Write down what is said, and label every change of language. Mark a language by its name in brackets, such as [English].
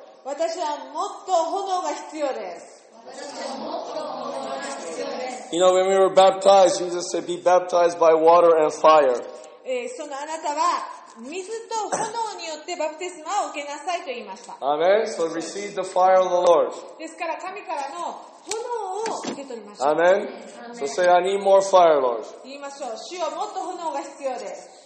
[Japanese] 私はもっと炎が必要です。 [English] You know, when we were baptized, Jesus said, be baptized by water and fire. [Japanese] そのあなたは水と炎によってバプテスマを受けなさいと言いました。 [English] Amen. So receive the fire of the Lord. [Japanese] ですから神からの炎を受け取りましょう。 [English] Amen. So say, I need more fire, Lord. [Japanese] 言いましょう。主よ、もっと炎が必要です。